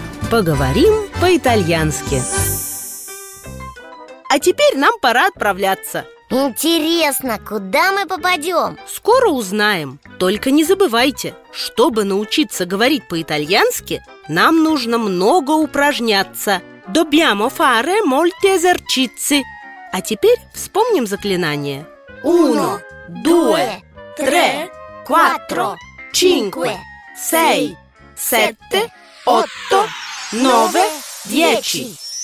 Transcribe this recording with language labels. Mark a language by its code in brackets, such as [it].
[ru] Поговорим по-итальянски. А теперь нам пора отправляться. Интересно, куда мы попадем? Скоро узнаем. Только не забывайте, чтобы научиться говорить по-итальянски, нам нужно много упражняться. [it] Dobbiamo fare molti esercizi. [ru] А теперь вспомним заклинание. [it] Uno, due, tre, quattro, cinque, sei, sette, otto, nove, dieci.